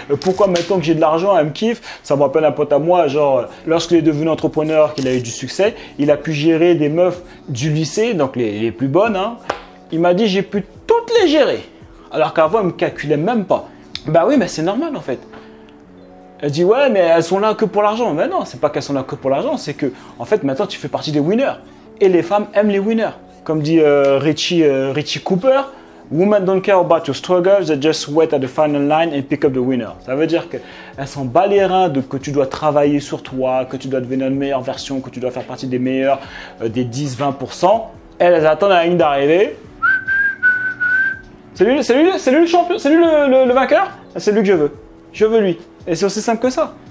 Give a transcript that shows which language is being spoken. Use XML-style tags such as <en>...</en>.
<fr>Pourquoi maintenant que j'ai de l'argent, elle me kiffe? Ça me rappelle un pote à moi, genre, lorsqu'il est devenu entrepreneur, qu'il a eu du succès, il a pu gérer des meufs du lycée, donc les plus bonnes, hein. Il m'a dit, j'ai pu toutes les gérer. Alors qu'avant, elle me calculait même pas. Bah oui, mais c'est normal, en fait. Elle dit, ouais, mais elles sont là que pour l'argent. Mais non, c'est pas qu'elles sont là que pour l'argent, c'est que, en fait, maintenant, tu fais partie des winners. Et les femmes aiment les winners. Comme dit Richie Cooper,</fr> <en>Women don't care about your struggles, they just wait at the final line and pick up the winner.</en> <fr>Ça veut dire qu'elles s'en bat les reins de que tu dois travailler sur toi, que tu dois devenir une meilleure version, que tu dois faire partie des meilleurs, des 10-20%. Elles attendent la ligne d'arrivée. C'est lui le champion, c'est lui le vainqueur. C'est lui que je veux. Je veux lui. Et c'est aussi simple que ça.</fr>